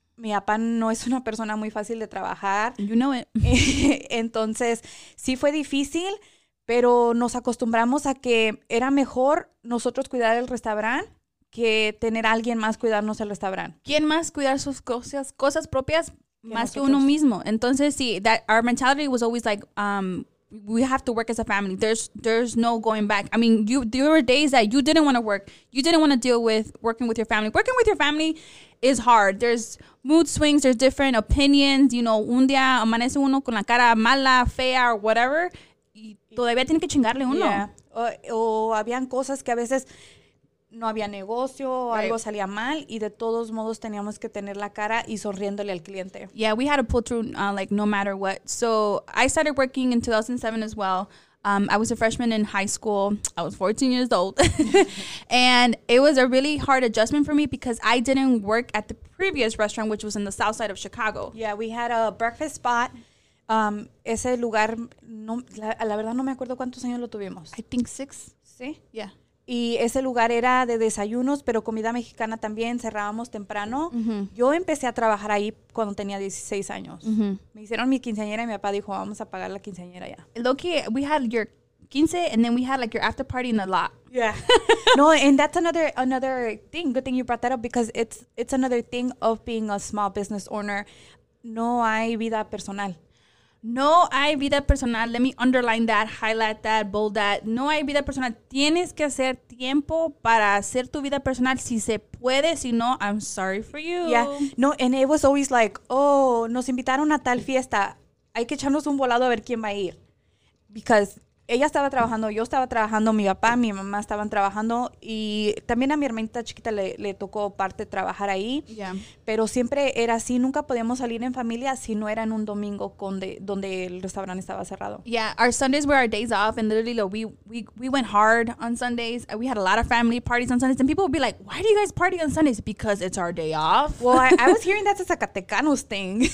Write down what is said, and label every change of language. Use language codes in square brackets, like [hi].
[es] Mi papá no es una persona muy fácil de trabajar. [en] You know it. [es] Entonces, sí fue difícil, pero nos acostumbramos a que era mejor nosotros cuidar el restaurante que tener a alguien más cuidarnos el restaurante. ¿Quién más cuidar sus cosas propias que más nosotros? Que uno mismo. Entonces, sí, [en] that our mentality was always like, we have to work as a family. There's no going back. I mean, there were days that you didn't want to work. You didn't want to deal with working with your family. Working with your family is hard. There's mood swings. There's different opinions. You know, [es] un día amanece uno con la cara mala, fea, [en] or whatever. [es] Y todavía tiene que chingarle uno. Yeah. O habían cosas que a veces no había negocio, right. Algo salía mal, y de todos modos teníamos que tener la cara y sonriéndole al cliente. [en] Yeah, we had to pull through, like, no matter what. So, I started working in 2007 as well. I was a freshman in high school. I was 14 years old. And it was a really hard adjustment for me because I didn't work at the previous restaurant, which was in the south side of Chicago. Yeah, we had a breakfast spot. [es] Ese lugar, no, la verdad no me acuerdo cuántos años lo tuvimos. [en] I think 6. [es] ¿Sí? [en] Yeah. [es] Y ese lugar era de desayunos, pero comida mexicana también. Cerrábamos temprano. Mm-hmm. Yo empecé a trabajar ahí cuando tenía 16 años. Mm-hmm. Me hicieron mi quinceañera y mi papá dijo, vamos a pagar la quinceañera ya. [en] Loki, we had your quince and then we had like your after party in the lot. Yeah. No, and that's another thing. Good thing you brought that up because it's another thing of being a small business owner. [es] No hay vida personal. No hay vida personal. [en] Let me underline that, highlight that, bold that. [es] No hay vida personal. Tienes que hacer tiempo para hacer tu vida personal si se puede. Si no, [en] I'm sorry for you. Yeah. No, and it was always like, oh, [es] nos invitaron a tal fiesta. Hay que echarnos un volado a ver quién va a ir. Because ella estaba trabajando, yo estaba trabajando, mi papá, mi mamá estaban trabajando. Y también a mi hermanita chiquita le tocó parte trabajar ahí. [en] Yeah. [es] Pero siempre era así, nunca podíamos salir en familia si no era en un domingo donde el restaurante estaba cerrado. [en] Yeah, our Sundays were our days off and literally like, we went hard on Sundays. We had a lot of family parties on Sundays. And people would be like, why do you guys party on Sundays? Because it's our day off. Well, I was hearing that's a Zacatecanos thing.